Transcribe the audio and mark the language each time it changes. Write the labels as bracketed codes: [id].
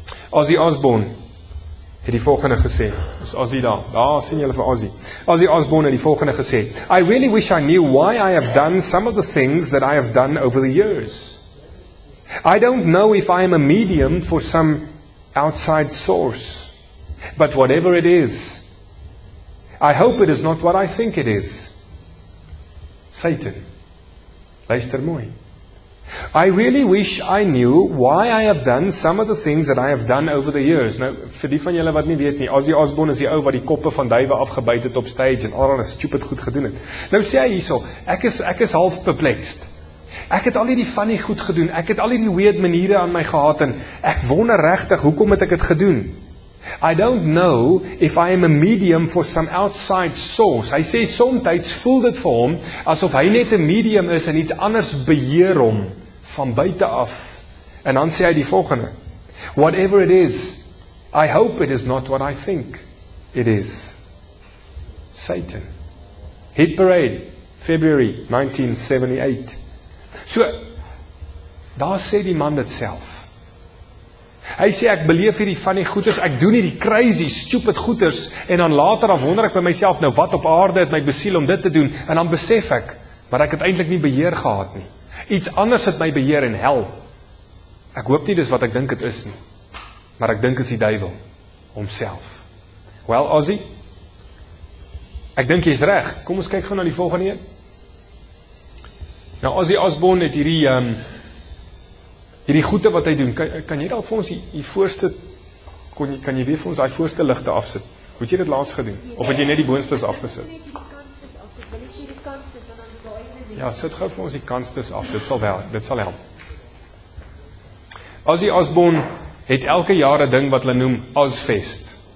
[af] Ozzy Osbourne het die volgende gesê, is Ozzy daar, daar sien julle vir Ozzy. Ozzy Osbourne het die volgende gesê, [en] I really wish I knew why I have done some of the things that I have done over the years. I don't know if I am a medium for some outside source, but whatever it is, I hope it is not what I think it is. Satan. [af] Luister mooi. [en] I really wish I knew why I have done some of the things that I have done over the years. [af] Nou, vir die van julle wat nie weet nie, Ozzy Osbourne is die ou wat die koppe van duiwe afgebyt het op stage en allerlei stupid goed gedoen het. Nou sê hy hierso, ek is half perplexed. Ek het al hierdie funny goed gedoen, ek het al hierdie weird maniere aan my gehad en ek wonder regtig, hoekom het ek het gedoen? [en] I don't know if I am a medium for some outside source. [af] Hy sê somtyds voel dit vir hom asof hy net 'n medium is en iets anders beheer hom van buite af. En dan sê hy die volgende. [en] Whatever it is, I hope it is not what I think it is. [af] Satan. Hit Parade, February 1978. So, daar sê die man dit self. Hy sê, ek beleef hierdie funny goeders, ek doen hierdie crazy, stupid goeders, en dan later af wonder ek by myself, nou wat op aarde het my besiel om dit te doen, en dan besef ek, maar ek het eintlik nie beheer gehad nie. Iets anders het my beheer in hel. Ek hoop nie dis wat ek dink het is nie, maar ek dink is die duivel, homself. Well, Ozzy, ek dink jy is reg, kom ons kyk gaan na die volgende een. Nou, Ozzy Osbourne het hierdie... Hierdie goede wat hy doen, kan jy daar vir ons die voorste, kan jy weer vir ons die voorste ligte afsit? Hoe het jy dit laatst gedoen? Of het jy net die boonstes afgesit? Ja, die kansstes afsit, wil jy die kansstes, want dan is baie beweeg. Ja, sit gauw vir ons die kansstes af, dit sal help. Ozzy Osbourne het elke jaar een ding wat hulle noem Ozfest.